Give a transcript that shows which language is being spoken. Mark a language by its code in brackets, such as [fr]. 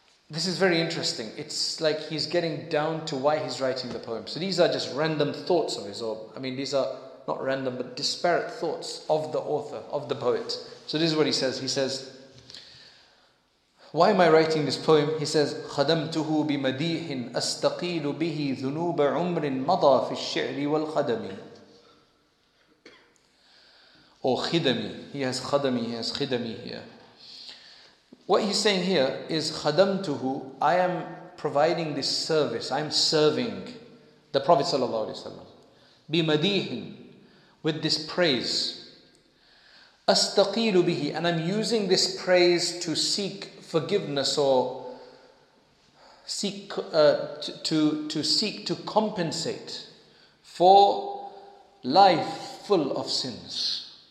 [en] This is very interesting. It's like he's getting down to why he's writing the poem. So these are just random thoughts of his, or I mean, these are not random, but disparate thoughts of the author, of the poet. So this is what he says. He says, why am I writing this poem? He says, [ar] خَدَمْتُهُ بِمَدِيحٍ أَسْتَقِيلُ بِهِ ذُنُوبَ عُمْرٍ مَضَى فِي الشِّعْرِ وَالْخَدَمِ Or خِدَمِ. [en] He has خَدَمِ, he has خِدَمِ here. What he's saying here is, خَدَمْتُهُ, I am providing this service, I am serving the Prophet sallallahu alaihi wasallam, بِمَدِيحٍ, with this praise. [ar] أَسْتَقِيلُ بِهِ, [en] and I'm using this praise to seek forgiveness or seek to compensate for life full of sins.